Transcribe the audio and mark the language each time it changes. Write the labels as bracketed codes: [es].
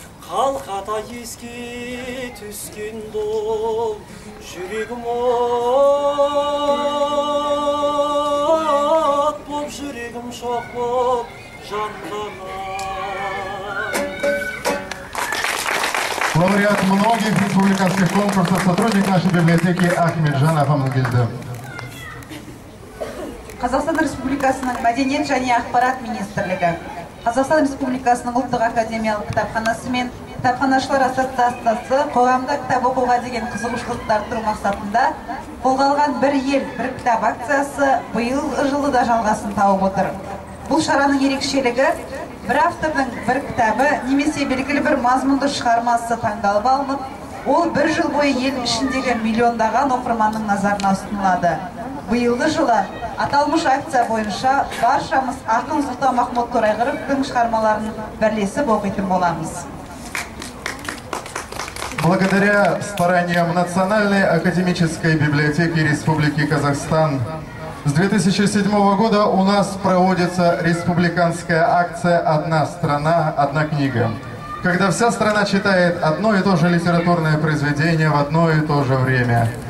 [kk] Қалқата еске түскен бұл, жүрегім от боп, жүрегім шоқ боп жанданай. [ru] Лауреат многих республиканских конкурсов, сотрудник нашей библиотеки Ахметжанов Амангелді. [kk] Қазақстан Республикасының мәдениет және ақпарат министрлігі, Қазақстан Республикасының ұлттық академиялық кітапханасы мен кітапханашылар ассоциациясы қоғамда кітап оқуға деген қызығушылықты арттыру мақсатында қолға алған бір ел бір кітап акциясы биыл жылы да жалғасын тауып отыр. Бұл шараның ерекшелігі бір автордың бір кітабы немесе белгілі бір мазмұнды шығармасы таңдалып алынып, ол бір жыл бойы ел ішіндегі миллиондаған оқырманның назарына ұсынылады. Биылғы жылы аталмыш акция бойынша баршамыз ақын Сұлтан Махмұт Торайғыровтың шығармаларын бірлесіп оқитын боламыз. [ru] Благодаря стараниям Национальной академической библиотеки Республики Казахстан с 2007 года у нас проводится республиканская акция «Одна страна, одна книга», когда вся страна читает одно и то же литературное произведение в одно и то же время.